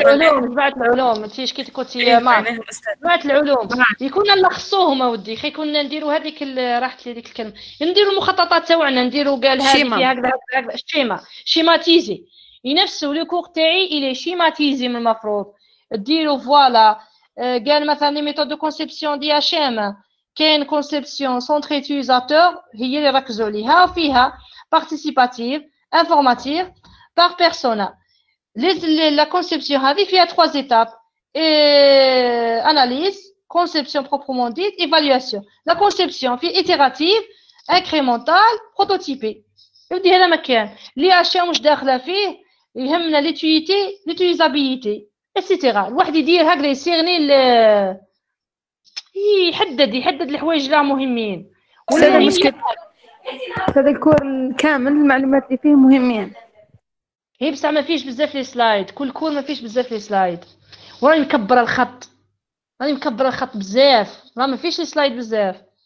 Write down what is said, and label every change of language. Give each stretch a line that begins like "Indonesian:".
Arabic: العلوم، جمعت العلوم، أنتيش كي كنتي يا ماما، جمعت العلوم، يكون نلخصوهم أودي، خي كنا نديرو هذيك راحت لي ديك الكلمة، نديرو المخططات تاعنا، نديرو قال هذه هكذا هكذا، شيما، شيماتيزي، ينفسو لو كور تاعي إلي شيماتيزي من المفروض. ديروا فوالا قال مثلا لي ميثود دو كونسيبسيون دي اش ام، كاين كونسيبسيون سونتريتيزاتور هي اللي ركزوا عليها، فيها بارتيسيباتيف انفورماتيف بار بيرسونا.
French: La conception avec, il y a trois étapes. Et analyse, conception proprement dite, évaluation. La conception est itérative, incrémentale, prototypée. Je vous dis là maintenant, l'IHM je dois la faire, il y a l'utilité, l'utilisabilité, etc.
Arabic: واحد يدير هكذا يصيرني ال يحدد يحدد الحوايج اللي مهمين. هذا مشكل. هذا الكور كامل المعلومات اللي فيه مهمين. هي بس ما فيش بزاف لي سلايد، كل كور ما فيش بزاف لي سلايد. وراني مكبر الخط، راني مكبر الخط بزاف، راه ما فيش لي سلايد بزاف.